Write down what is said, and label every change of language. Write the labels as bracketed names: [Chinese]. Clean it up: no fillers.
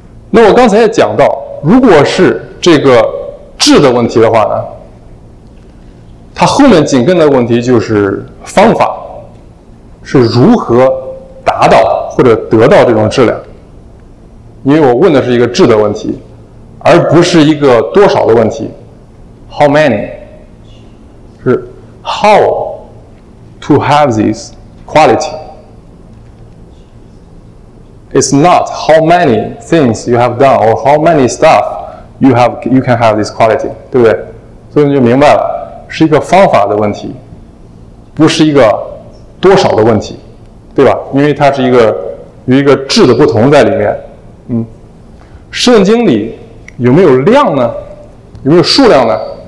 [Chinese] 那我刚才也讲到，如果是这个质的问题的话呢，它后面紧跟的问题就是方法，是如何达到或者得到这种质量。因为我问的是一个质的问题，而不是一个多少的问题。 [English] How many 是 How to have this quality。 It's not how many things you have done or how many stuff you can have this quality, [Chinese] 对不对？所以你就明白了，是一个方法的问题，不是一个多少的问题，对吧？因为它是一个有一个质的不同在里面。嗯，圣经里有没有量呢？有没有数量呢？